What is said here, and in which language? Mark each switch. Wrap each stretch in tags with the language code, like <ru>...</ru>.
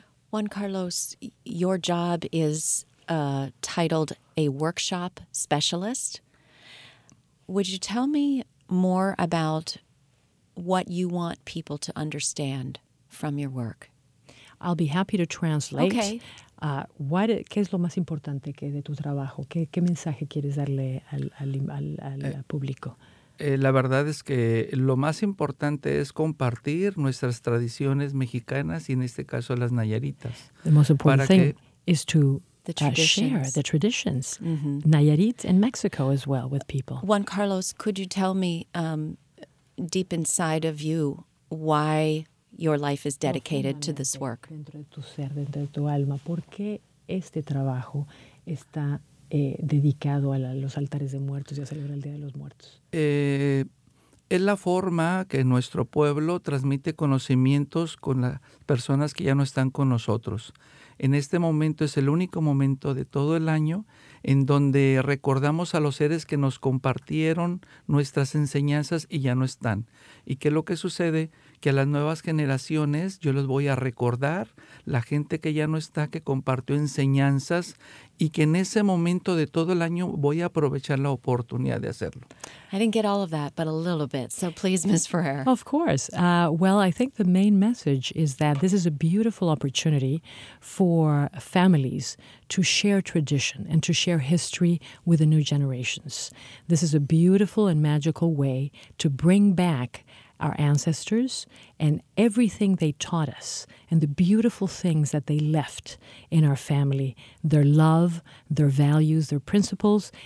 <en>Juan Carlos, your job is titled a workshop specialist. Would you tell me more about what you want people to understand from your work? I'll be happy to translate. Okay.</en> <es>¿Qué es lo más importante que de tu trabajo? ¿Qué mensaje quieres darle al público? La verdad es que lo más importante es compartir nuestras tradiciones mexicanas y en este caso las nayaritas.</es> <en>The most important thing is to share the traditions, Nayarit and Mexico as well, with people. Juan Carlos, could you tell me deep inside of you why your life is dedicated to this work?</en> <es>Dentro de tu ser, dentro de tu alma, ¿por qué este trabajo está dedicado a los altares de muertos y a celebrar el Día de los Muertos? Es la forma que nuestro pueblo transmite conocimientos con las personas que ya no están con nosotros. En este momento es el único momento de todo el año en donde recordamos a los seres que nos compartieron nuestras enseñanzas y ya no están. ¿Y qué es lo que sucede? Que a las nuevas generaciones yo les voy a recordar la gente que ya no está, que compartió enseñanzas, y que en ese momento de todo el año voy a aprovechar la oportunidad de hacerlo.</es> <en>I didn't get all of that, but a little bit. So please, Ms. Ferrer. Of course. I think the main message is that this is a beautiful opportunity for families to share tradition and to share history with the new generations. This is a beautiful and magical way to bring back our ancestors and everything they taught us and the beautiful things that they left in our family, their love, their values, their principles.</en>